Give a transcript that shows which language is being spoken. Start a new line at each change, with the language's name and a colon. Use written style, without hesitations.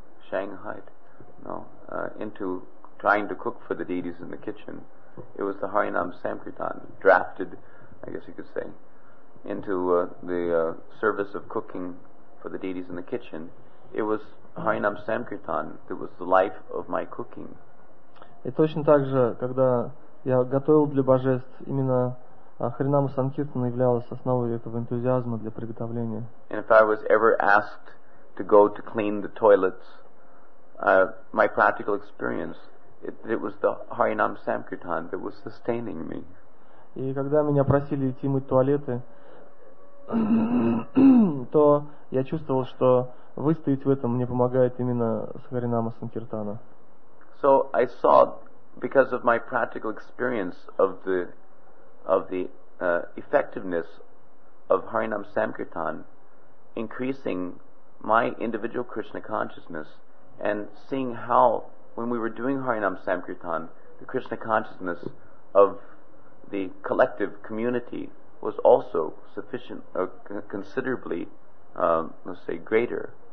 English: Shanghaied, no? Into trying to cook for the deities in the kitchen. It was the Harinam Samkirtan drafted, I guess you could say, into the service of cooking for the deities in the kitchen. It was Harinam Samkirtan that was the life of my cooking.
Russian: И точно так же, когда я готовил для божеств, именно Харинама Санкиртана являлась основой этого энтузиазма для приготовления.
English: And if I was ever asked to go to clean the toilets, my practical experience, it was the Harinam Samkirtan that was sustaining me.
Russian: И когда меня просили идти мыть туалеты, то я чувствовал, что выстоять в этом мне помогает именно Харинама Санкиртана.
English: So I saw, because of my practical experience of the effectiveness of Harinam Samkirtan increasing my individual Krishna consciousness, and seeing how when we were doing Harinam Samkirtan, the Krishna consciousness of the collective community was also sufficient, considerably, let's say, greater